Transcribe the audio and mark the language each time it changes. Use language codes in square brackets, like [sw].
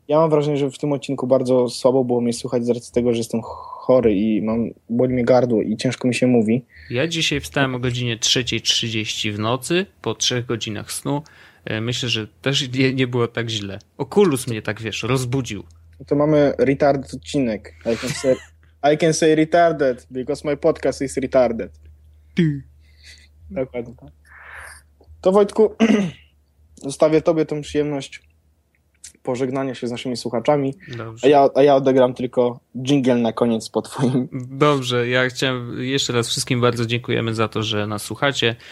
[pl] Ja mam wrażenie, że w tym odcinku bardzo słabo było mnie słuchać z racji tego, że jestem chory i boli mnie gardło i ciężko mi się mówi. Ja dzisiaj wstałem o godzinie 3:30 w nocy, po 3 godzinach snu. Myślę, że też nie było tak źle. Okulus mnie tak, wiesz, rozbudził. To mamy retarded odcinek. [en] I can say retarded, because my podcast is retarded. [pl] Ty. Dokładnie. To Wojtku, zostawię tobie tą przyjemność pożegnania się z naszymi słuchaczami. Dobrze. A ja odegram tylko dżingiel na koniec po twoim. Dobrze, ja chciałem jeszcze raz wszystkim bardzo dziękujemy za to, że nas słuchacie.